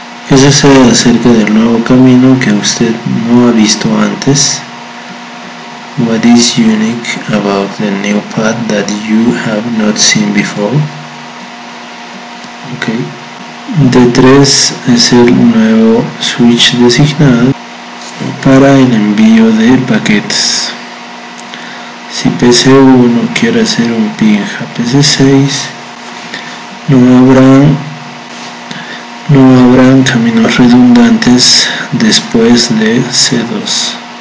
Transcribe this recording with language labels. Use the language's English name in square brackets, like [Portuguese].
[Spanish] Eso será acerca del nuevo camino que usted no ha visto antes. [English] What is unique about the new path that you have not seen before? Okay. [Spanish] D3 es el nuevo switch designado para el envío de paquetes. Si PC1 quiere hacer un ping a PC6, no habrán caminos redundantes después de C2.